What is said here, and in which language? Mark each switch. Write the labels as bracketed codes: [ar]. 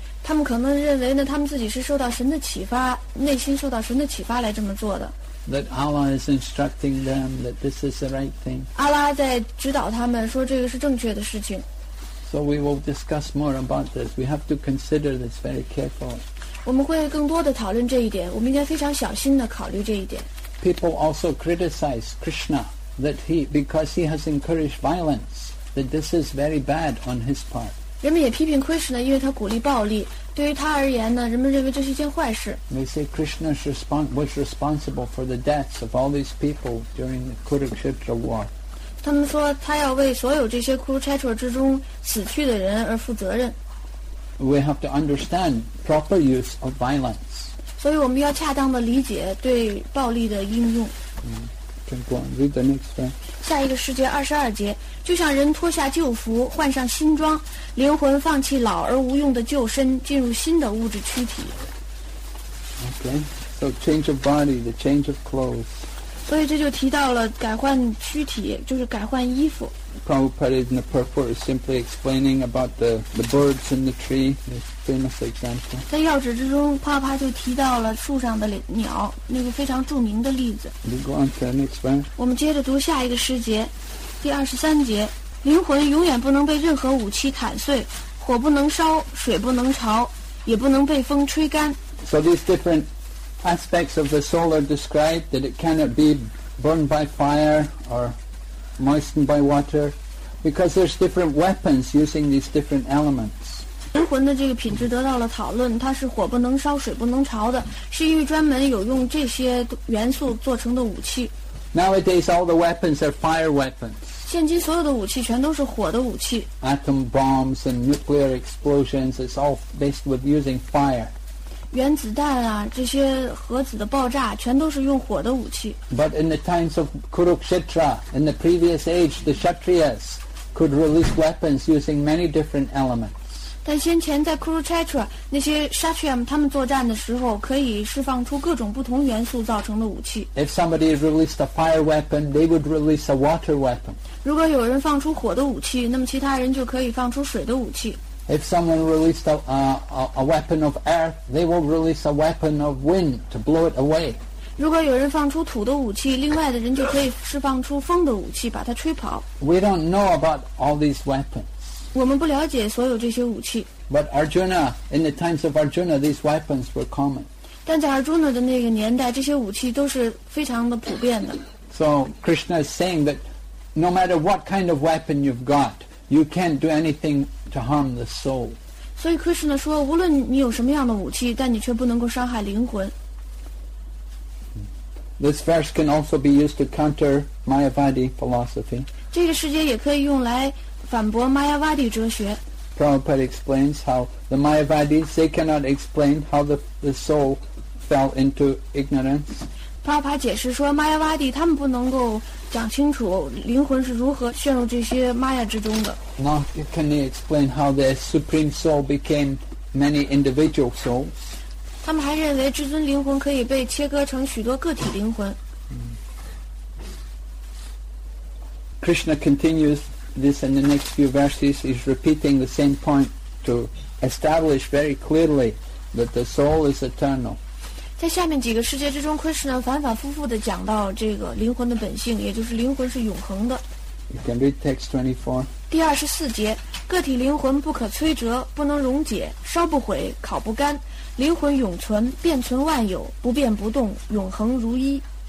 [zh] 他们可能认为呢，他们自己是受到神的启发，内心受到神的启发来这么做的。 [en] That Allah is instructing them that this is the right thing. [zh] 阿拉在指导他们说这个是正确的事情。 [en] So we will discuss more about this. We have to consider this very carefully. [zh] 我们会更多的讨论这一点，我们应该非常小心的考虑这一点。 [en] People also criticize Krishna. That he, because he has encouraged violence, that this is very bad on his part. [zh] 人们也批评 Krishna, 因为他鼓励暴力。对于他而言呢，人们认为这是一件坏事。 [en] They say Krishna was responsible for the deaths of all these people during the Kurukshetra War. [zh] 他们说他要为所有这些 Kurukshetra 之中死去的人而负责任。 [en] We have to understand proper use of violence. [zh] 所以我们要恰当的理解对暴力的应用。 [en] Go on, read the next one. [zh] 下一个世界二十二节，就像人脱下旧服，换上新装，灵魂放弃老而无用的旧身，进入新的物质躯体。 [en] Okay, so change of body, the change of clothes. [zh] 所以这就提到了改换躯体，就是改换衣服。 [en] Prabhupada in the purport is simply explaining about the birds and the tree, the famous example. [zh] 在要旨之中，帕帕就提到了树上的鸟，那个非常著名的例子。 [en] We go on to the next one. [zh] 我们接着读下一个诗节，第二十三节，灵魂永远不能被任何武器砍碎，火不能烧，水不能潮，也不能被风吹干。 [en] So these different aspects of the soul are described that it cannot be burned by fire or... moistened by water because there's different weapons using these different elements. [zh] 灵魂的这个品质得到了讨论，它是火不能烧，水不能潮的，是因为专门有用这些元素做成的武器。 [en] Nowadays all the weapons are fire weapons. [zh] 现今所有的武器全都是火的武器。 [en] Atom bombs and nuclear explosions, it's all based with using fire. [zh] 原子弹啊，这些核子的爆炸，全都是用火的武器。 [en] But in the times of Kurukshetra, in the previous age, the Kshatriyas could release weapons using many different elements. [zh] 但先前在 Kurukshetra, 那些 Kshatriya 他们作战的时候，可以释放出各种不同元素造成的武器。 [en] If somebody released a fire weapon, they would release a water weapon. [zh] 如果有人放出火的武器，那么其他人就可以放出水的武器。 [en] If someone released a weapon of earth, they will release a weapon of wind to blow it away. [zh] 如果有人放出土的武器，另外的人就可以释放出风的武器，把它吹跑。 [en] We don't know about all these weapons. [zh] 我们不了解所有这些武器。 [en] But Arjuna, in the times of Arjuna, these weapons were common. [zh] 但在 Arjuna 的那个年代，这些武器都是非常的普遍的。 [en] So Krishna is saying that no matter what kind of weapon you've got, you can't do anything... to harm the soul. [zh] 所以 Krishna 说，无论你有什么样的武器，但你却不能够伤害灵魂。 [en] This verse can also be used to counter Mayavadi philosophy. [zh] 这个世界也可以用来反驳 Mayavadi 哲学。 [en] Prabhupada explains how the Mayavadis, they cannot explain how the soul fell into ignorance. [zh] 帕帕解释说，玛雅瓦蒂他们不能够讲清楚灵魂是如何陷入这些玛雅之中的。 [en] Now, can they explain how the supreme soul became many individual souls? [zh] 他们还认为至尊灵魂可以被切割成许多个体灵魂。 [en] Krishna continues this in the next few verses. He's repeating the same point to establish very clearly that the soul is eternal. [zh] 在下面几个世界之中 ，Krishna 反反复复地讲到这个灵魂的本性，也就是灵魂是永恒的。 [en] You can read text 24. [zh] 第二十四节，个体灵魂不可摧折，不能溶解，烧不毁，烤不干，灵魂永存，遍存万有，不变不动，永恒如一。